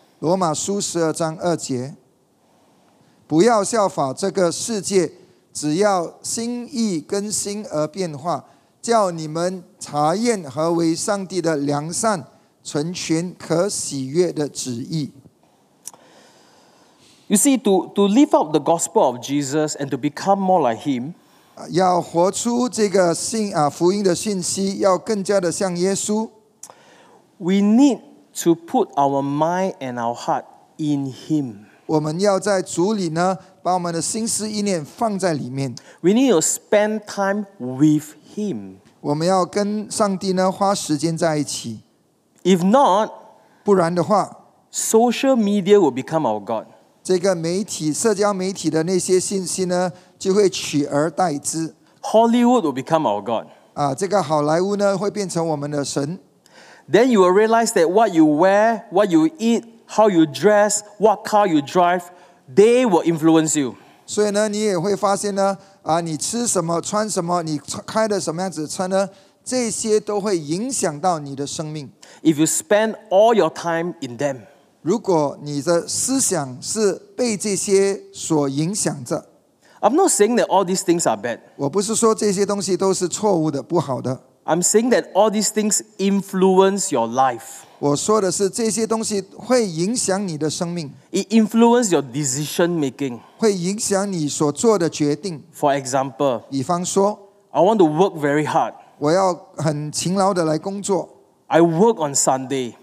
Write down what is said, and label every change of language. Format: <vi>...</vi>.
<zh>罗马书十二章二节，不要效法这个世界，只要心意更新而变化，叫你们查验何为上帝的良善、纯全、可喜悦的旨意。</zh> <en>You see, to live out the gospel of Jesus and to become more like Him，</en> <zh>要活出这个福音的信息，要更加的像耶稣。</zh> <en>We need to put our mind and our heart in Him。</en> <zh>我们要在主里呢，把我们的心思意念放在里面。</zh> <en>We need to spend time with Him。</en> <zh>我们要跟上帝呢花时间在一起。</zh> <en>If not，</en> <zh>不然的话</zh> <en>，social media will become our God。</en> <zh>这个媒体、社交媒体的那些信息呢，就会取而代之。</zh> <en>Hollywood will become our God。</en> <zh>这个好莱坞呢会变成我们的神。</zh> <en>Then you will realize that what you wear, what you eat, how you dress, what car you drive。 They will influence you。</en> <zh>所以呢，你也会发现呢，你吃什么、穿什么、你开的什么样子车呢？这些都会影响到你的生命。</zh> <en>If you spend all your time in them，</en> <zh>如果你的思想是被这些所影响着</zh> <en>，I'm not saying that all these things are bad。</en> <zh>我不是说这些东西都是错误的、不好的。</zh> <en>I'm saying that all these things influence your life。</en> <zh>我说的是这些东西会影响你的生命。</zh> <en>It influences your decision making。</en> <zh>会影响你所做的决定。</zh> <en>For example，</en> <zh>比方说</zh> <en>，I want to work very hard。</en> <zh>我要很勤劳的来工作。</zh> <en>I work on Sunday。</en>